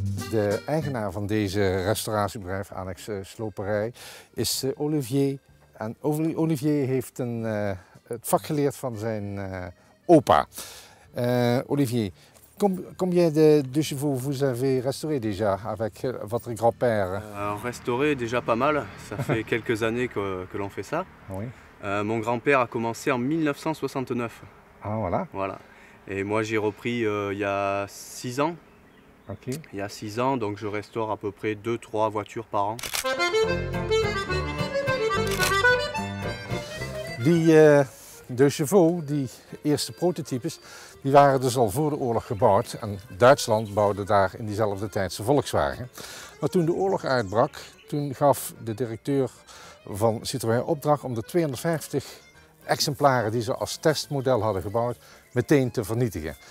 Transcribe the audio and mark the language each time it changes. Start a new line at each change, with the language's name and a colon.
Dutch: De eigenaar van deze restauratiebedrijf, Annex Sloperij, is Olivier. En Olivier heeft het vak geleerd van zijn opa.
French: Olivier, combien de Deux Chevaux vous avez restauré déjà avec votre grand-père? Restauré déjà pas mal, ça fait quelques années que l'on fait ça. Oui. Mon grand-père a commencé en 1969. Ah voilà. Voilà. Et moi j'ai repris il y a 6 ans. Ok. Il y a 6 ans, donc je restaure à peu près 2-3 voitures par an.
Dutch: Die Deux Chevaux, die eerste prototypes, die waren dus al voor de oorlog gebouwd. En Duitsland bouwde daar in diezelfde tijd zijn Volkswagen. Maar toen de oorlog uitbrak, toen gaf de directeur van Citroën opdracht om de 250 exemplaren die ze als testmodel hadden gebouwd, meteen te vernietigen.